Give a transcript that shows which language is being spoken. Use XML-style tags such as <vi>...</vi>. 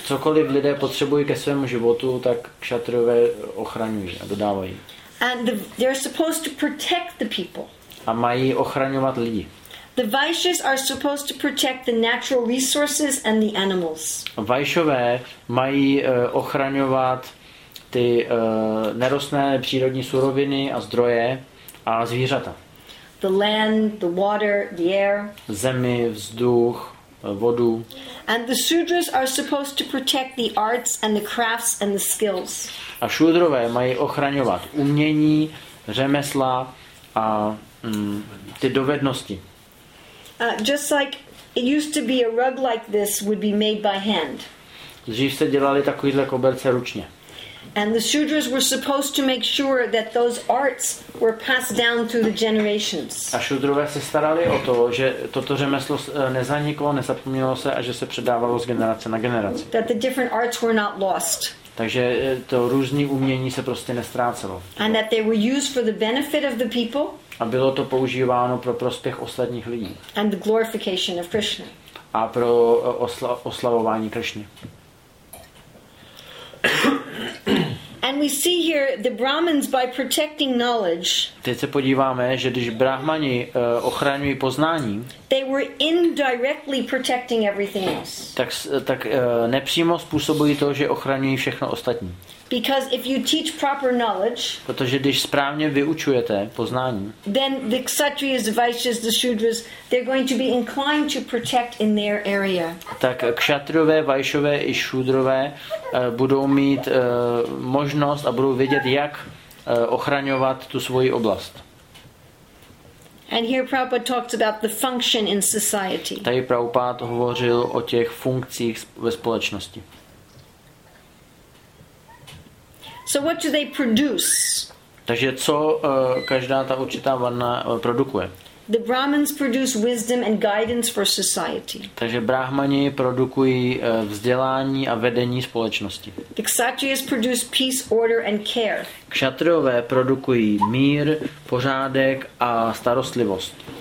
<cs>Cokoliv lidé potřebují ke svému životu, tak Kshatriyové ochraňují a dodávají.</cs> <en>And they're supposed to protect the people.</en> <cs>A mají ochraňovat lidi.</cs> <en>The Vaishyas are supposed to protect the natural resources and the animals.</en> <cs>Vaishyové mají ochraňovat ty nerostné přírodní suroviny a zdroje a zvířata.</cs> <en>The land, the water, the air.</en> <cs>Zemi, vzduch, vodu.</cs> <en>And the Shudras are supposed to protect the arts and the crafts and the skills.</en> <cs>A Shudrové mají ochraňovat umění, řemesla a ty dovednosti.</cs> <en>Just like it used to be, a rug like this would be made by hand.</en> <cs>Dřív se dělali takovýhle koberce ručně.</cs> <en>And the Shudras were supposed to make sure that those arts were passed down through the generations.</en> <cs>A Shudrové se starali o to, že toto řemeslo nezaniklo, nezapomnělo se a že se předávalo z generace na generaci.</cs> <en>That the different arts were not lost.</en> <cs>Takže to různý umění se prostě nestrácelo.</cs> <en>And that they were used for the benefit of the people.</en> <cs>A bylo to používáno pro prospěch ostatních lidí.</cs> <en>And the glorification of Krishna.</en> <cs>A pro oslavování Krishny.</cs> <en>And we see here the Brahmins by protecting knowledge.</en> <cs>Teď se podíváme, že když Brahmani ochraňují poznání,</cs> <en>they were indirectly protecting everything else.</en> <cs>Tak nepřímo způsobují to, že ochraňují všechno ostatní.</cs> <en>Because if you teach proper knowledge,</en> <cs>protože když správně vyučujete poznání,</cs> <en>then the Kshatriyas, the Vaishyas, the Shudras, they're going to be inclined to protect in their area.</en> <cs>Tak Kshatriyové, Vaishyové i Shudrové budou mít možnost a budou vědět, jak ochraňovat tu svoji oblast.</cs> <en>And here Prabhupada talks about the function in society.</en> <cs>Tady Prabhupada hovořil o těch funkcích ve společnosti.</cs> <en>So what do they produce?</en> <cs>Takže co každá ta určitá varna produkuje?</cs> <en>The Brahmins produce wisdom and guidance for society.</en> <cs>Takže Brahmani produkují vzdělání a vedení společnosti.</cs> <en>The Kshatriyas produce peace, order and care.</en> <cs>Kshatriyové produkují mír, pořádek a starostlivost.</cs>